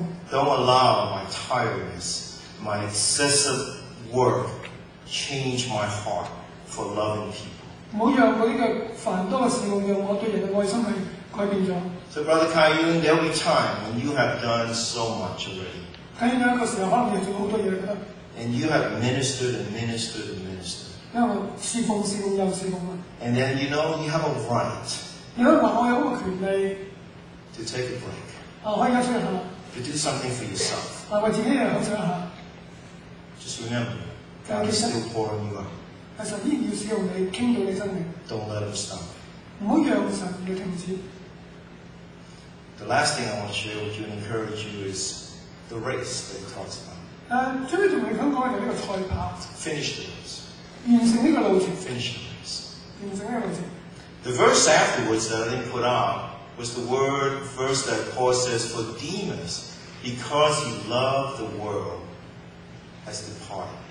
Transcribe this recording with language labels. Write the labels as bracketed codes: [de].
[en] Don't allow my tiredness, my excessive work, change my heart for loving people." [yue] 唔好讓佢呢個繁多嘅事務讓我對人嘅愛心係改變咗。 [en] So brother Kai Yun, there will be time when you have done so much already. [yue] 喺呢個時候可能要做好多嘢啦。 [en] And you have ministered and ministered and ministered. [yue] 因為侍奉侍奉又侍奉啦。 [en] And then you know you have a right. [yue] 你可以話我有個權利。 [en] To take a break. [yue] 可以休息一下。 [en] To do something for yourself. [yue] 為自己嚟休息一下。 [en] Just remember, God is still pouring you out. [yue] 但神依然要使用你，倾到你生命。 [en] Don't let him stop. [yue] 唔好让神要停止。 [en] The last thing I want to share with you and encourage you is the race that he talks about. [yue] 最尾同你讲嘅系呢个赛跑。 [en] Finish the race. [yue] 完成呢个路程。 [en] Finish the race. [yue] 完成呢个路程。 [en] The verse afterwards that I didn't put on was the word verse that Paul says for Demas, because he loved the world, has departed.